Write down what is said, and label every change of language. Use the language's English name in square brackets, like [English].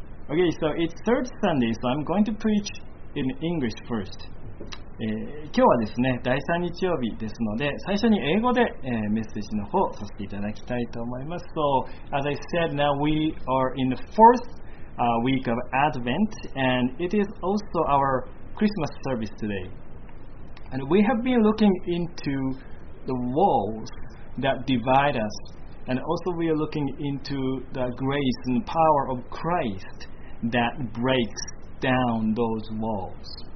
[English] Okay, so it's third Sunday, so I'm going to preach in English first. [Japanese] 今日はですね、第3日曜日ですので、最初に英語で、メッセージの方をさせていただきたいと思います。 [English] So, as I said, now we are in the fourth, week of Advent, and it is also our Christmas service today. And we have been looking into the walls that divide us, and also we are looking into the grace and power of Christ that breaks down those walls.